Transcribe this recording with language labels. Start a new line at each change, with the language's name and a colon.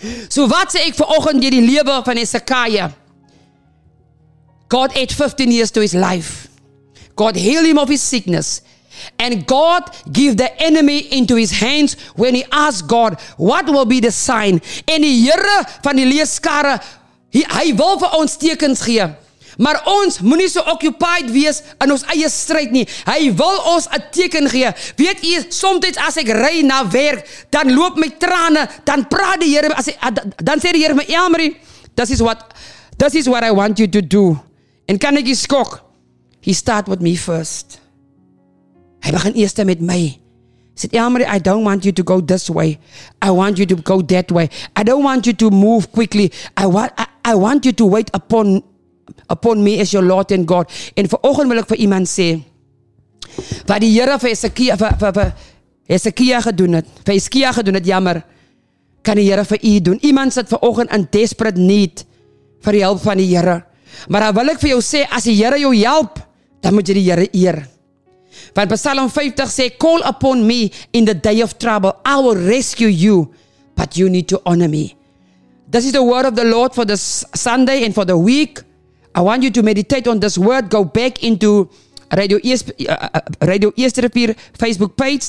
Afrikaans: So wat sê ek vanoggend deur die lewe van Hezekiah?
English: God added 15 years to his life. God healed him of his sickness. And God gave the enemy into his hands when he asked God, what will be the sign?
Afrikaans: En die Here van die leeskare, hy wil vir ons tekens gee. Maar ons moet nie so occupied wees in ons eie stryd nie. Hy wil ons 'n teken gee. Weet jy, soms as ek ry na werk, dan loop my trane, dan praat die Here, dan sê die Here my, Elmarie,
English: this is what I want you to do.
Afrikaans: En kan ek skok?
English: He start with me first.
Afrikaans: Hy begin eers met my.
English: Sê, Elmarie, I don't want you to go this way. I want you to go that way. I don't want you to move quickly. I want you to wait upon me as your Lord and God.
Afrikaans: En vanoggend wil ek vir iemand sê, wat die Here vir Hezekiah gedoen het, jammer, kan die Here vir u doen. Iemand sit vanoggend
English: in desperate need
Afrikaans: vir die hulp van die Here. Maar dan wil ek vir jou sê, as die Here jou help, dan moet jy die Here eer. Want Psalm 50 sê,
English: call upon me in the day of trouble. I will rescue you, but you need to honor me. This is the word of the Lord for this Sunday and for the week. I want you to meditate on this word. Go back into Radio Eesterivier Facebook page.